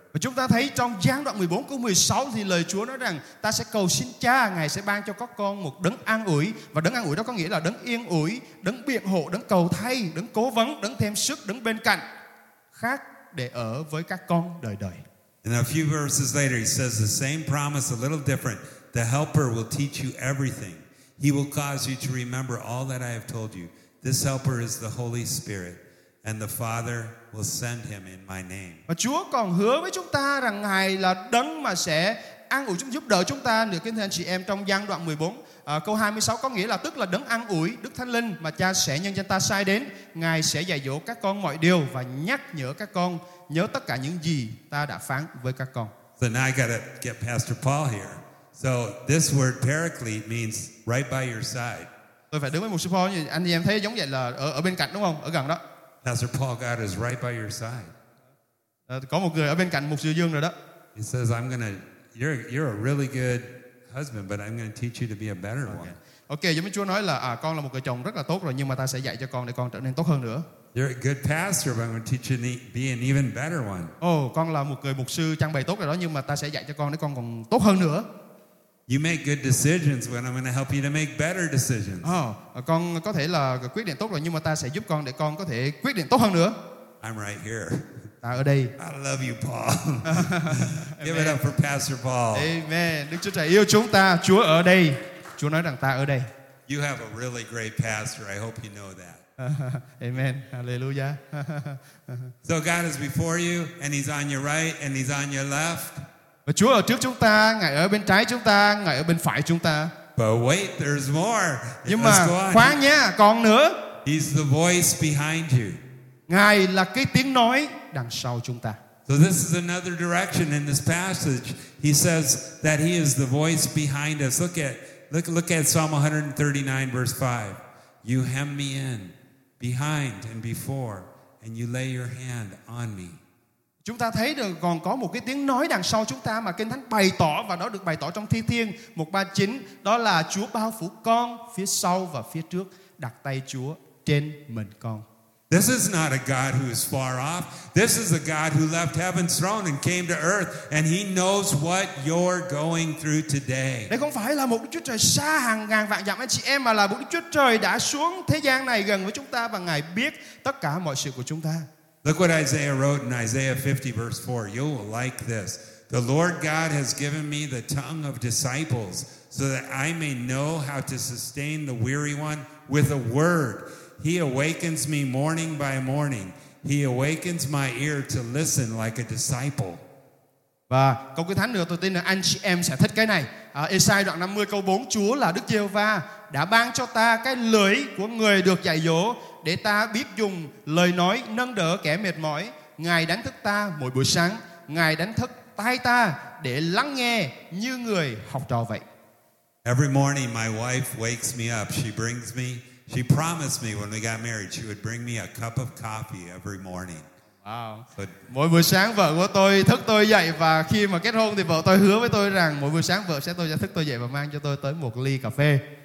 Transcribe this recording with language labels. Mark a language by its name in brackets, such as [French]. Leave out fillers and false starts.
[Vietnamese] Và chúng ta thấy trong Giáng đoạn 14 câu 16 thì lời Chúa nói rằng ta sẽ cầu xin Cha, Ngài sẽ ban cho các con một đấng an ủi. Và đấng an ủi đó có nghĩa là đấng yên ủi, đấng biện hộ, đấng cầu thay, đấng cố vấn, đấng thêm sức, đấng bên cạnh khác để ở với các con đời đời. [English] And a few verses later he says the same promise a little different. The helper will teach you everything. He will cause you to remember all that I have told you. This helper is the Holy Spirit. And the Father will send him in my name. [Vietnamese] Và Chúa còn hứa với chúng ta rằng Ngài là đấng mà sẽ an ủi chúng, giúp đỡ chúng ta, nữa kính thưa anh chị em, trong Giăng đoạn 14 câu 26 có nghĩa là tức là đấng an ủi, Đức Thánh Linh mà Cha sẽ nhân danh ta sai đến, Ngài sẽ dạy dỗ các con mọi điều và nhắc nhở các con nhớ tất cả những gì ta đã phán với các con. [English] So now I gotta get Pastor Paul here. So this word paraclete means right by your side. [Vietnamese] Tôi phải đứng với mục sư Paul, anh em thấy giống vậy là ở bên cạnh đúng không? Ở gần đó. [English] Pastor Paul, God is right by your side. [Vietnamese] Có một người ở bên cạnh mục sư Dương rồi đó. [English] He says, you're a really good husband, but I'm going to teach you to be a better okay. one. [Vietnamese] Okay, giống như Chúa nói là con là một người chồng rất là tốt rồi, nhưng mà ta sẽ dạy cho con để con trở nên tốt hơn nữa. [English] You're a good pastor, but I'm going to teach you to be an even better one. [Vietnamese] Oh, con là một người mục sư trang bày tốt rồi đó, nhưng mà ta sẽ dạy cho con để con còn tốt hơn nữa. [English] You make good decisions, but I'm going to help you to make better decisions. [Vietnamese] Oh, con có thể là quyết định tốt rồi, nhưng mà ta sẽ giúp con để con có thể quyết định tốt hơn nữa. [English] I'm right here. [Vietnamese] Ta ở đây. [English] I love you, Paul. Give it up for Pastor Paul. Amen. [Vietnamese] Đức Chúa Trời yêu chúng ta. Chúa ở đây. Chúa nói rằng ta ở đây. [English] You have a really great pastor. I hope you know that. Amen. Hallelujah. So God is before you, and He's on your right, and He's on your left. [Vietnamese] Và Chúa ở trước chúng ta, Ngài ở bên trái chúng ta, Ngài ở bên phải chúng ta. [English] But wait, there's more. [Vietnamese] Nhưng mà khoan nha, còn nữa. [English] He's the voice behind you. [Vietnamese] Ngài là cái tiếng nói đằng sau chúng ta. [English] So this is another direction in this passage. He says that he is the voice behind us. Look at Psalm 139 verse 5. You hem me in behind and before, and you lay your hand on me. [Vietnamese] Chúng ta thấy được còn có một cái tiếng nói đằng sau chúng ta mà Kinh Thánh bày tỏ, và đó được bày tỏ trong Thi Thiên 139, đó là Chúa bao phủ con phía sau và phía trước, đặt tay Chúa trên mình con. [English] This is not a God who is far off. This is a God who left heaven's throne and came to earth, and He knows what you're going through today. [Vietnamese] Đây không phải là một Đức Chúa Trời xa hàng ngàn vạn dặm anh chị em, mà là một Đức Chúa Trời đã xuống thế gian này gần với chúng ta, và Ngài biết tất cả mọi sự của chúng ta. [English] Look what Isaiah wrote in Isaiah 50 verse 4. You will like this. The Lord God has given me the tongue of disciples so that I may know how to sustain the weary one with a word. He awakens me morning by morning. He awakens my ear to listen like a disciple. [Vietnamese] Và câu Kinh Thánh nữa, tôi tin là anh chị em sẽ thích cái này. Esai đoạn 50 câu 4, Chúa là Đức Giê-hô-va đã ban cho ta cái lưỡi của người được dạy dỗ, để ta biết dùng lời nói nâng đỡ kẻ mệt mỏi. Ngài đánh thức ta mỗi buổi sáng, Ngài đánh thức tai ta để lắng nghe như người học trò vậy. [English] Every morning my wife wakes me up. She promised me when we got married she would bring me a cup of coffee every morning. Wow. [Vietnamese] But mỗi buổi sáng vợ của tôi thức tôi dậy, và khi mà kết hôn thì vợ tôi hứa với tôi rằng mỗi buổi sáng vợ sẽ tôi sẽ thức tôi dậy và mang cho tôi tới một ly cà phê.